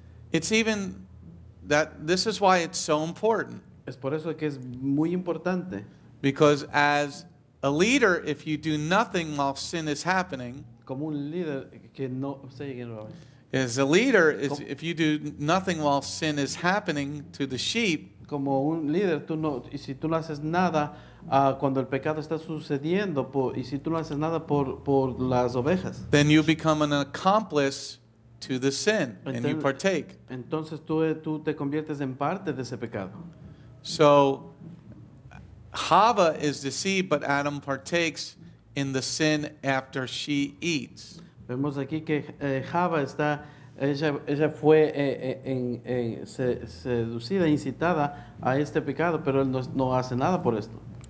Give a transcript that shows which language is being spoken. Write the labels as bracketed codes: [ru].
[en] It's even that this is why it's so important. [es] Es por eso que es muy importante. [en] Because as a leader, if you do nothing while sin is happening, [es] como un líder que no, [en] say again, as a leader, if you do nothing while sin is happening to the sheep, [es] como un líder, tú no, y si tú no haces nada cuando el pecado está sucediendo, y si tú no haces nada por las ovejas, [en] then you become an accomplice to the sin, and you partake. [es] Entonces tú te conviertes en parte de ese pecado. [en] So Chava is deceived, but Adam partakes in the sin after she eats. [es] Vemos aquí que Chava está, ella fue seducida, incitada a este pecado, pero él no hace nada por esto.